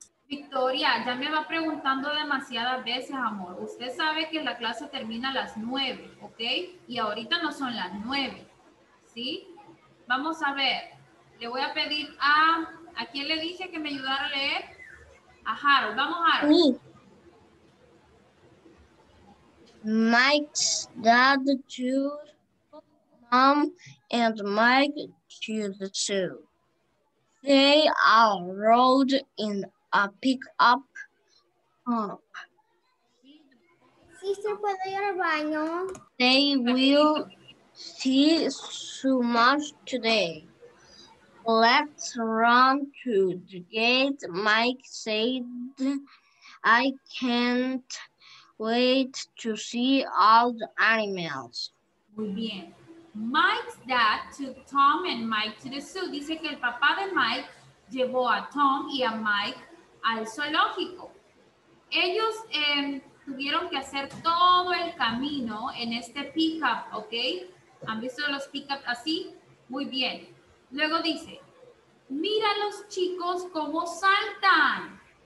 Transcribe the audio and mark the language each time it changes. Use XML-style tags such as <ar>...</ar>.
<es>Victoria, ya me va preguntando demasiadas veces, amor. Usted sabe que la clase termina a las 9, ¿ok? Y ahorita no son las 9, ¿sí? Vamos a ver. Le voy a pedir a quién le dije que me ayudara a leer. A Harold. Vamos, Harold. Sí.</es> <en>Mike's dad choose mom and Mike to the zoo. They are rode in a pickup truck.</en> <es>Sister, ¿puedo ir al baño?</es> <en>They will see so much today. Let's run to the gate. Mike said, I can't wait to see all the animals.</en> <es>Muy bien.</es> <en>Mike's dad took Tom and Mike to the zoo.</en> <es>Dice que el papá de Mike llevó a Tom y a Mike al zoológico. Ellos tuvieron que hacer todo el camino en este pickup, ¿ok? ¿Han visto los pickups así? Muy bien. Luego dice, mira los chicos cómo saltan.</es>